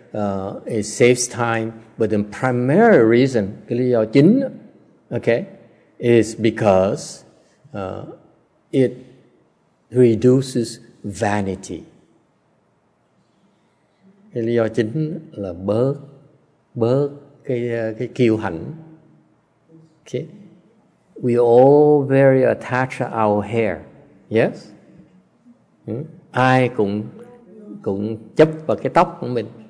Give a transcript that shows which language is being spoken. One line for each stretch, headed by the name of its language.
English: It saves time, but the primary reason,
Vietnamese: cái lý do chính,
English: okay, is because it reduces vanity.
Vietnamese: Cái lý do chính là bớt cái kiêu hãnh.
English: Okay, we all very attached to our hair.
Vietnamese: Yes, ai cũng chấp vào cái tóc của mình.